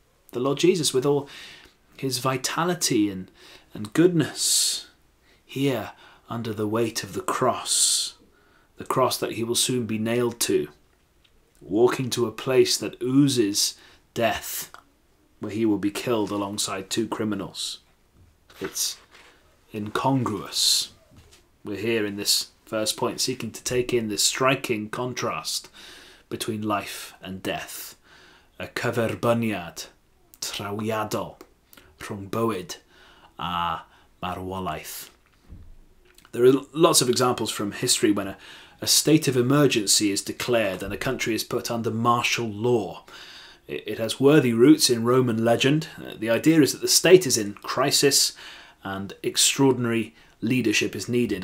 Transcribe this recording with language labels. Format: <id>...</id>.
<en>The Lord Jesus, with all his vitality and goodness, here under the weight of the cross that he will soon be nailed to, walking to a place that oozes death, where he will be killed alongside two criminals. It's incongruous. We're here in this first point seeking to take in this striking contrast between life and death.</en> <cy>A cyferbyniad trawiadol rhwng bywyd a marwolaeth.</cy> <en>There are lots of examples from history when a state of emergency is declared and a country is put under martial law. It has worthy roots in Roman legend. The idea is that the state is in crisis and extraordinary leadership is needed.</en>